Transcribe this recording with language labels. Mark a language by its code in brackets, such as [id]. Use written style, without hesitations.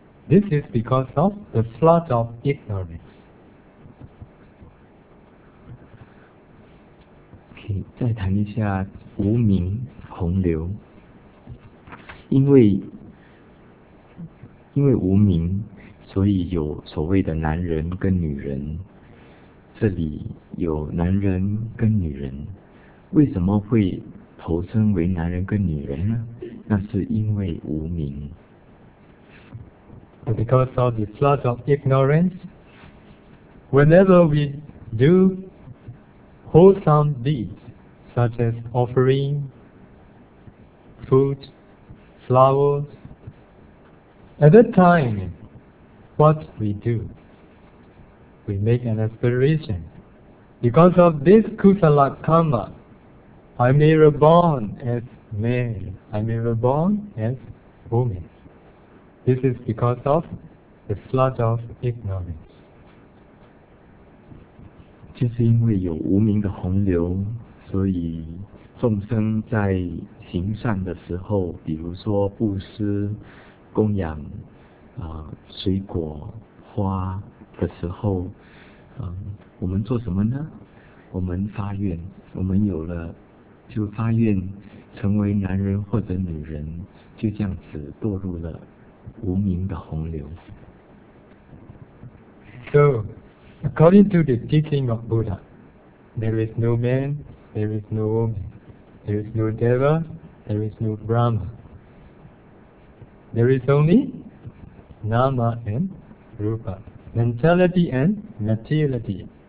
[en] This is because of the flood of ignorance. Okay. [zh] 可以再谈一下无名洪流，因为无名，所以有所谓的男人跟女人，这里有男人跟女人，为什么会投生为男人跟女人呢？那是因为无名。 [en] Because of the flood of ignorance, whenever we do wholesome deeds, such as offering food, flowers, at that time, what we do? We make an aspiration. Because of this kusala karma, I'm reborn as woman. This is because of the flood of ignorance. [zh] 就是因为有无名的洪流，所以众生在行善的时候，比如说布施、供养、水果、花的时候，我们做什么呢？我们发愿，我们有了。就发愿成为男人或者女人，就这样子堕入了无名的洪流。 [en] So, according to the teaching of Buddha, there is no man, there is no woman, there is no deva, there is no Brahma. There is only nama and rupa, mentality and materiality.